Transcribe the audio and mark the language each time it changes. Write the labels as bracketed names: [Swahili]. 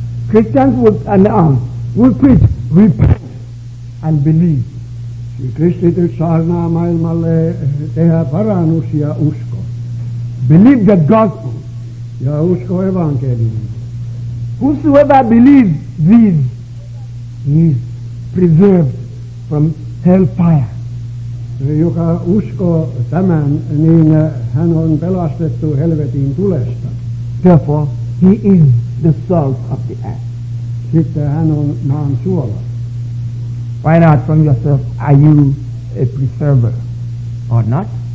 [English] Christians will announce, will preach, repent and believe. [Finnish] Kristityt saarnaa maailmalle tehdä parannus ja usko. [English] Believe the gospel. [Finnish] Ja usko evankeliumin. [English] Whosoever believes this, he is preserved from hellfire. [Finnish] Joka uskoo tämän, niin hän on pelastettu helvetin tulesta. [English] Therefore, he is the salt of the earth. [Finnish] Sitten hän on maan suola. [English] Why not from yourself, are you a preserver or not?